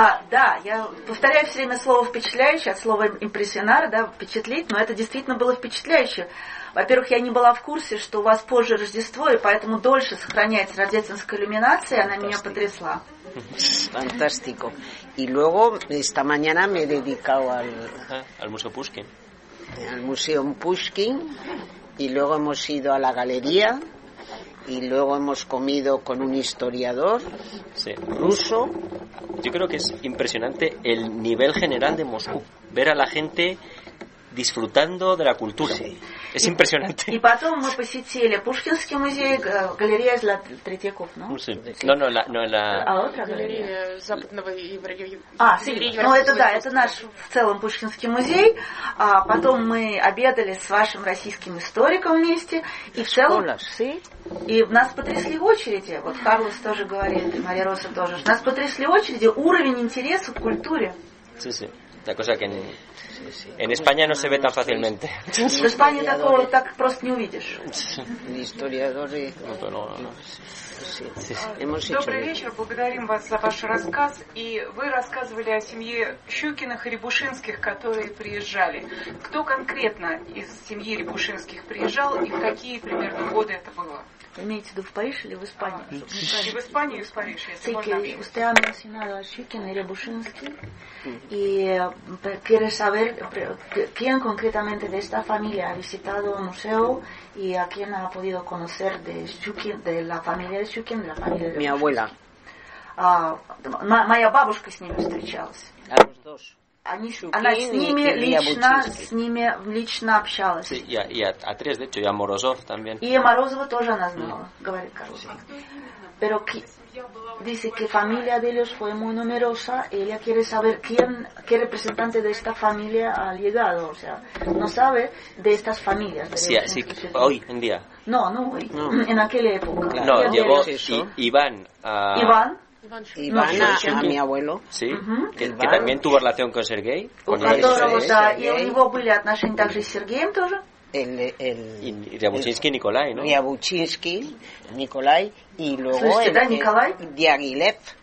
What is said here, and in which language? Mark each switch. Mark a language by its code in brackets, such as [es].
[ru] Да, я повторяю все время слово впечатляющее, от слова импрессионар, да, впечатлить, но это действительно было впечатляюще. Во-первых, я не была в курсе, что у вас позже Рождество, и поэтому дольше сохраняется рождественская иллюминация, и она меня потрясла. [es] Фантастико. И luego esta mañana me he dedicado al Museo Pushkin. Al Museo Pushkin, y luego hemos ido a la galería. Y luego hemos comido con un historiador ruso. Yo creo que es impresionante el nivel general de Moscú. Ver a la gente disfrutando de la cultura. Sí. Es impresionante. [ru] Y потом мы посетили Пушкинский музей, галерея Третьяков, ¿no? [es] Sí. No, la... А otra galería. [ru] Западного еврея. [es] Ah, sí. [ru] Ну, это да, это наш в целом Пушкинский музей. А потом мы обедали с вашим российским историком вместе. И в целом... Sí. И нас потрясли очереди. Вот Карлос тоже говорит, и Мария Роза тоже. Нас потрясли очереди, уровень интереса к культуре. [es] Sí, sí. La cosa que en España no se ve tan fácilmente. [ru] В Испании такого так просто не увидишь. [es] Историадоры. [ru] Добрый вечер, благодарим вас за ваш рассказ. И вы рассказывали о семье Щукиных и Рябушинских, которые приезжали. Кто конкретно из семьи Рябушинских приезжал и в какие примерно годы это было? Имеете в виду в Париж или в Испанию? В Испанию и в Париж. [es] Sí, que usted ha mencionado a Щукин и Рябушинский. Y quiere saber quién concretamente de esta familia ha visitado el museo y a quién ha podido conocer de Щукин, de la familia de Щукин, de la familia de mi abuela. [ru] Моя бабушка с ними встречалась. [es] A los dos. [ru] Она с ними лично общалась. [es] Sí, y a tres, de hecho, y a Morozov también. Y a [ru] Морозова тоже она знала, говорит Карлос. [es] Sí. Pero que, dice que familia de ellos fue muy numerosa y ella quiere saber qué representante de esta familia ha llegado. O sea, no sabe de estas familias. De sí, sí, hoy en día. No, hoy. No. En aquella época. Claro. No, llegó Iván. Iván. Iván a mi abuelo, sí, uh-huh. que también tuvo relación con Sergei, [ru] y у него были отношения также с Сергеем тоже. [es] Y Рябушинский Николай, ¿no? Рябушинский Николай y luego Дягилев.